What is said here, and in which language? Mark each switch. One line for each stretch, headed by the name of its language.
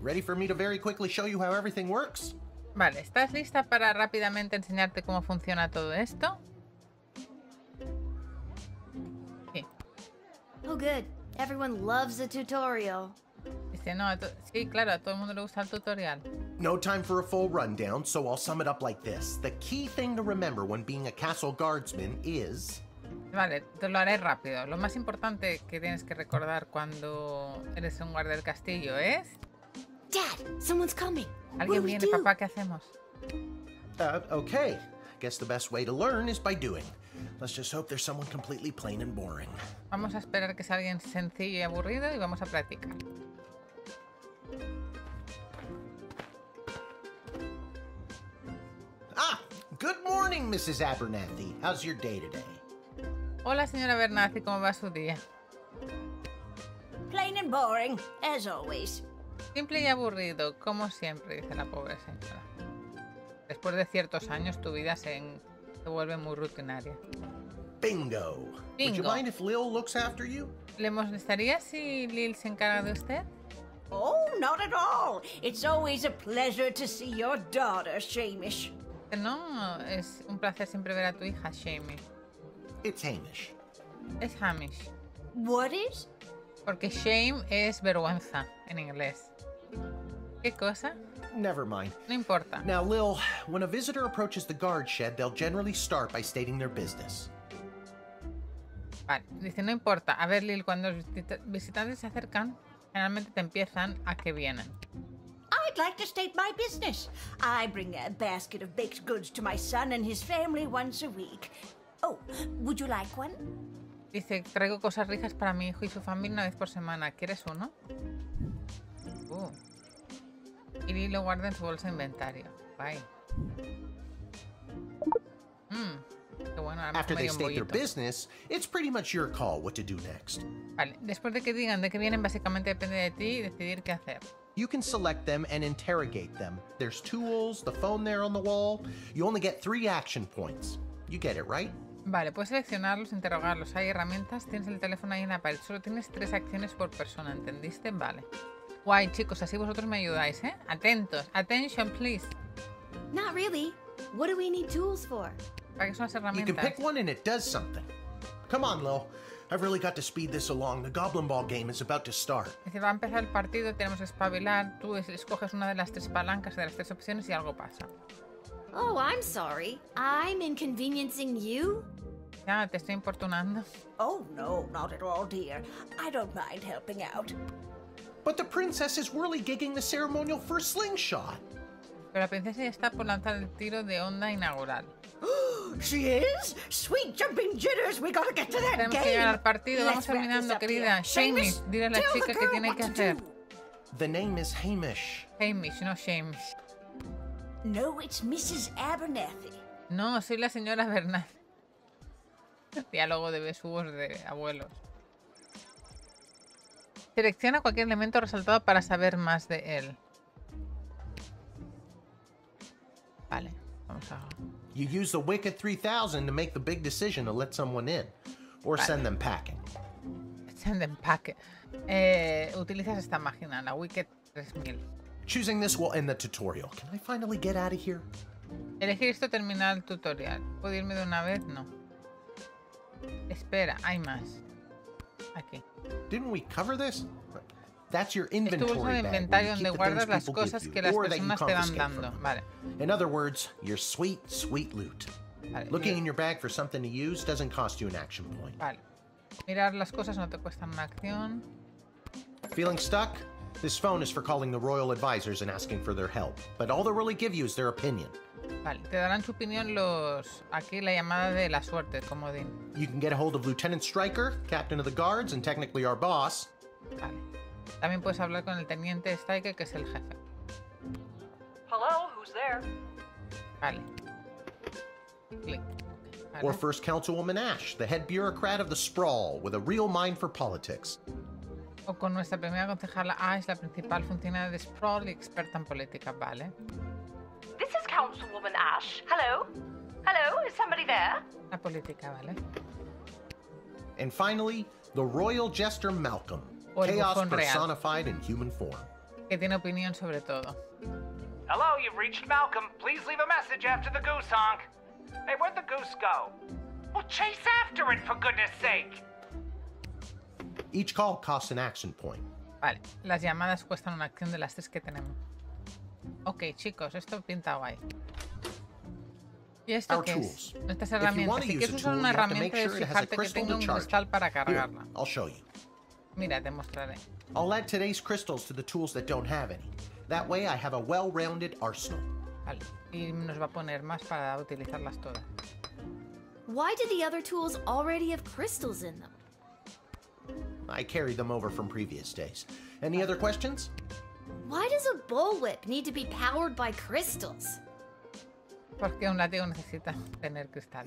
English: Ready for me to very quickly show you how everything works?
Spanish: Vale, ¿estás lista para rápidamente enseñarte cómo funciona todo esto? Sí.
English: Oh, good. Everyone loves a tutorial.
Spanish: Dice, no, sí, claro, a todo el mundo le gusta el tutorial.
English: No time for a full rundown, so I'll sum it up like this. The key thing to remember when being a castle guardsman is...
Spanish: Vale, te lo haré rápido. Lo más importante que tienes que recordar cuando eres un guardia del castillo es...
English: Dad, someone's coming.
Spanish: ¿Alguien viene, papá? ¿Qué hacemos?
English: Okay. Guess the best way to learn is by doing. Let's just hope there's someone completely plain and boring.
Spanish: Vamos a esperar que sea alguien sencillo y aburrido y vamos a practicar.
English: Ah, good morning, Mrs. Abernathy. How's your day today?
Spanish: Hola, señora Abernathy, ¿cómo va su día?
English: Plain and boring, as always.
Spanish: Simple y aburrido, como siempre, dice la pobre señora. Después de ciertos años, tu vida se vuelve muy rutinaria.
English: Bingo. Bingo. Would you mind if Lil looks after you?
Spanish: ¿Le molestaría si Lil se encarga de usted?
English: Oh, not at all. It's always a pleasure to see your daughter, Shamish.
Spanish: No, es un placer siempre ver a tu hija, Shamish.
English: It's Hamish.
Spanish: Es Hamish.
English: What is?
Spanish: Porque shame es vergüenza en inglés. ¿Qué cosa?
English: Never mind.
Spanish: No importa.
English: Now, Lil, when a visitor approaches the guard shed, they'll generally start by stating their business.
Spanish: Vale, dice, no importa. A ver, Lil, cuando los visitantes se acercan, generalmente te empiezan a qué vienen.
English: I'd like to state my business. I bring a basket of baked goods to my son and his family once a week. Oh, would you like one?
Spanish: Dice, traigo cosas ricas para mi hijo y su familia una vez por semana. ¿Quieres uno? Y lo guarda en su bolsa de inventario.
English: Bye. After they state their business, it's pretty much your call what to do next.
Spanish: Vale, después de que digan de qué vienen, básicamente depende de ti decidir qué hacer.
English: You can select them and interrogate them. There's tools, the phone there on the wall. You only get 3 action points. You get it, right?
Spanish: Vale, puedes seleccionarlos, interrogarlos. Hay herramientas, tienes el teléfono ahí en la pared. Solo tienes 3 acciones por persona, ¿entendiste? Vale. Guay, chicos, así vosotros me ayudáis, ¿eh? Atentos.
English: Attention, please. Not really. What do we need tools for?
Spanish: ¿Para qué son las herramientas?
English: You can pick one and it does something. Come on, Lo. I've really got to speed this along. The Goblin Ball game is about to start.
Spanish: Dice, va a empezar el partido, tenemos que espabilar. Tú escoges una de las 3 palancas de las 3 opciones y algo pasa.
English: Oh, I'm sorry. I'm inconveniencing you?
Spanish: Ya, te estoy importunando.
English: Oh, no, not at all, dear. I don't mind helping out. But the princess is really gigging the ceremonial for a slingshot.
Spanish: Pero la princesa ya está por lanzar el tiro de onda inaugural.
English: She is? Sweet jumping jitters, we gotta get to that
Spanish: tenemos
English: game.
Spanish: Que llegar al partido, vamos
English: Let's
Spanish: terminando, querida. Seamus, dile a la chica que tiene que hacer.
English: The name is Hamish.
Spanish: Hamish, no Seamus.
English: No, it's Mrs. Abernathy.
Spanish: No, soy la señora Bernath. Diálogo de besugos de abuelos. Selecciona cualquier elemento resaltado para saber más de él. Vale, vamos a.
English: You use the Wicked 3000 to make the big decision to let someone in, or
Spanish: vale.
English: Send them packing. Send them packing.
Spanish: Utilizas esta máquina, la Wicked 3000.
English: Choosing this will end the tutorial. Can I finally get out of here?
Spanish: Elegir esto termina el tutorial. ¿Puedo irme de una vez? No. Espera, hay más. Aquí.
English: Didn't we cover this? That's your inventory bag.
Spanish: Es tu bolsa de inventario donde guardas las cosas que las personas te van dando. Vale.
English: In other words, your sweet, sweet loot.
Spanish: Vale.
English: Looking in your bag for something to use doesn't cost you an action point.
Spanish: Vale. Mirar las cosas no te cuesta una acción.
English: Feeling stuck? This phone is for calling the royal advisors and asking for their help. But all they'll really give you is their opinion.
Spanish: Vale, te darán su opinión los... Aquí la llamada de la suerte, como de...
English: You can get a hold of Lieutenant Stryker, Captain of the Guards, and technically our boss.
Spanish: Vale. También puedes hablar con el Teniente Stryker, que es el jefe.
English: Hello, who's there?
Spanish: Vale. Click.
English: Or First Councilwoman Ash, the head bureaucrat of the Sprawl, with a real mind for politics.
Spanish: O con nuestra primera concejala Ash, la principal funcionaria de Sprawl y experta en política, vale.
English: This is Councilwoman Ash. Hello? Hello, is somebody there?
Spanish: La política, vale.
English: And finally, the royal jester Malcolm.
Spanish: O
English: chaos personified
Spanish: real.
English: In human form.
Spanish: Que tiene opinión sobre todo.
English: Hello, you've reached Malcolm. Please leave a message after the goose honk. Hey, where'd the goose go? Well, chase after it, for goodness sake. Each call costs an action point.
Spanish: Vale, las llamadas cuestan una acción de las 3 que tenemos. Ok, chicos, esto pinta guay. ¿Y esto
English: our
Spanish: qué
English: tools.
Spanish: Es? Nuestras herramientas. Si quieres usar una herramienta, debes fijarte que tenga un cristal para cargarla.
English: Here, I'll show you.
Spanish: Mira, te mostraré.
English: I'll add today's crystals to the tools that don't have any. That way I have a well-rounded arsenal.
Spanish: Vale, y nos va a poner más para utilizarlas todas.
English: Why do the other tools already have crystals in them? I carried them over from previous days. Any other questions? Why does a bullwhip need to be powered by crystals?
Spanish: Porque un látigo necesita tener cristales.